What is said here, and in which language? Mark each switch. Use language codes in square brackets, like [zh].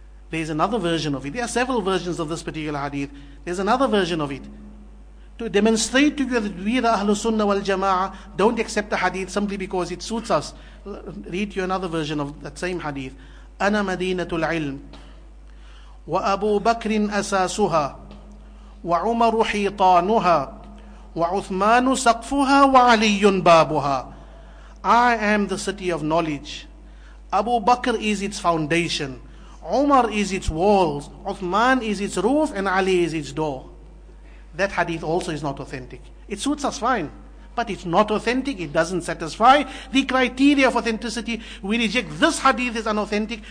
[en] There is another version of it. There are several versions of this particular hadith. There is another version of it. To demonstrate to you that we, the Ahlus Sunnah wal Jama'ah, don't accept the hadith simply because it suits us. Read you another version of that same hadith. [ar] أنا مدينة العلم وأبو بكر أساسها وعمر حيطانها وعثمان سقفها وعلي بابها. [en] I am the city of knowledge. Abu Bakr is its foundation. Umar is its walls, Uthman is its roof, and Ali is its door. That hadith also is not authentic. It suits us fine, but it's not authentic. It doesn't satisfy the criteria of authenticity. We reject this hadith as unauthentic.